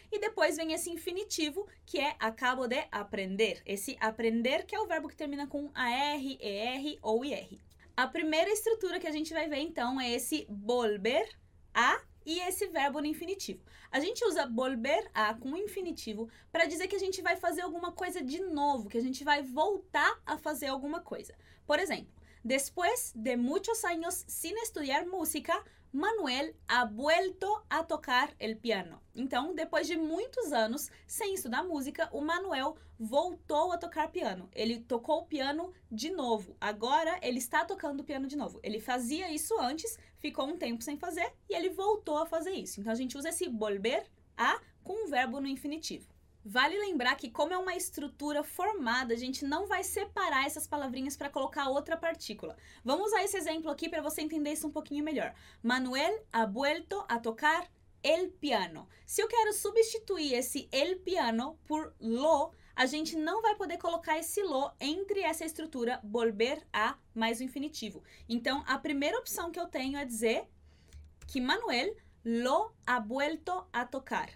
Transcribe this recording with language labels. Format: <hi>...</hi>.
<pt>E depois vem esse infinitivo, que é acabo de aprender, esse aprender que é o verbo que termina com AR, ER ou IR. A primeira estrutura que a gente vai ver, então, é esse volver a e esse verbo no infinitivo. A gente usa volver a com infinitivo para dizer que a gente vai fazer alguma coisa de novo, que a gente vai voltar a fazer alguma coisa.</pt> <es>Por exemplo, después de muchos años sin estudiar música, Manuel ha vuelto a tocar el piano.</es> <pt>Então, depois de muitos anos sem estudar música, o Manuel voltou a tocar piano. Ele tocou o piano de novo. Agora, ele está tocando o piano de novo. Ele fazia isso antes, ficou um tempo sem fazer e ele voltou a fazer isso. Então, a gente usa esse volver a com um verbo no infinitivo. Vale lembrar que como é uma estrutura formada, a gente não vai separar essas palavrinhas para colocar outra partícula. Vamos usar esse exemplo aqui para você entender isso um pouquinho melhor.</pt> <es>Manuel ha vuelto a tocar el piano.</es> <pt>Se eu quero substituir esse</pt> <es>el piano</es> <pt>por lo, a gente não vai poder colocar esse lo entre essa estrutura volver a mais o infinitivo. Então, a primeira opção que eu tenho é dizer que</pt> <es>Manuel lo ha vuelto a tocar.</es>